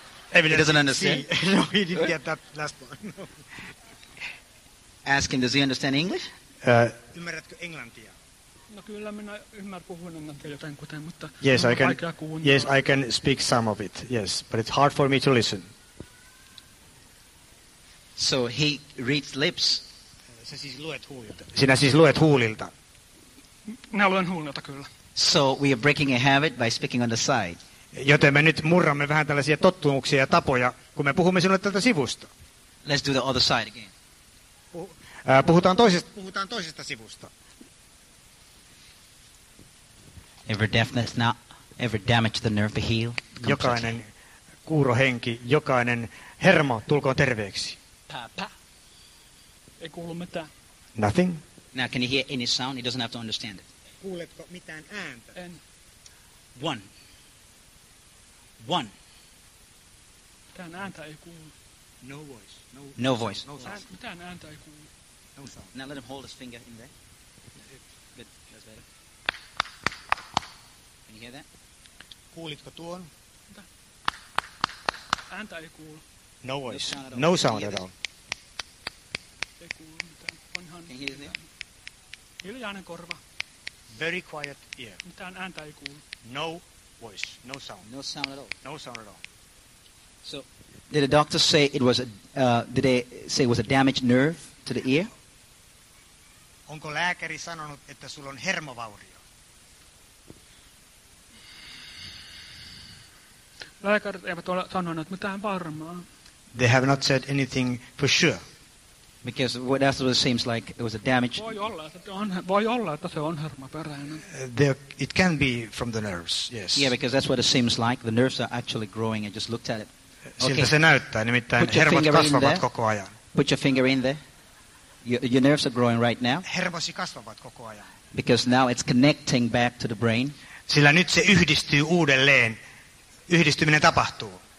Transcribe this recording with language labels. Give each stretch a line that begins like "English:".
English: Evan doesn't understand. No, he didn't get that last one. Ask him, does he understand English?
Finnish: Ymmärrätkö englantia? No kyllä minä ymmärrän puhun englantia jotain kuten, mutta
English: yes, I can. Yes, I can speak some of it. Yes, but it's hard for me to listen. So he reads lips.
Finnish: Sä siis luet huulilta. Sinä siis luet huulilta. Minä luen huulilta kyllä.
English: So we are breaking a habit by speaking on the side.
Finnish: Joten me nyt murramme vähän tällaisia tottumuksia ja tapoja, kun me puhumme sinulle tältä sivusta.
English: Let's do the other side again.
Finnish: Puhutaan toisesta sivusta.
English: Every deafness now, every damage the nerve to heal.
Finnish: Jokainen kuuro henki, jokainen hermo tulkoon terveeksi.
English: Papa.
Finnish: Ei kuulu mitään.
English: Nothing. Now can you hear any sound? He doesn't have to understand it.
Finnish: Kuuletko mitään ääntä? En.
English: One. One.
Finnish: Mitään ääntä ei kuulu.
English: No voice. No voice. No sound.
Finnish: Mitään ääntä ei kuulu.
English: No sound. Now let him hold his finger in there. Good. That's better. Can you hear that?
Finnish: Kuulitko tuon? Mitä? Ääntä ei kuulu.
English: No voice. No sound at all.
Finnish: Ei kuulu mitään. Onhan.
English: Can you hear that?
Finnish: Hiljainen korva.
English: Very quiet ear.
Finnish: Mitään ääntä ei kuulu.
English: No voice. No sound. No sound at all. No sound at all. So, did the doctor say it was did they say it was a damaged nerve to the ear?
Finnish: Onko lääkäri sanonut, että sulla on hermovaurio? Lääkärit eivät ole sanoneet mitään varmaa.
English: They have not said anything for sure. Because what else it seems like it was a damaged.
Finnish: Voi olla, että se on hermoperäinen.
English: It can be from the nerves. Yes. Yeah, because that's what it seems like. The nerves are actually growing. I just looked at it.
Finnish: Siltä okay. Se näyttää, nimittäin hermot kasvavat koko ajan.
English: Put your finger in there. Your nerves are growing right now.
Finnish: Hermosi kasvavat koko ajan.
English: Because now it's connecting back to the brain.
Finnish: Sillä nyt se yhdistyy uudelleen. Yhdistyminen tapahtuu.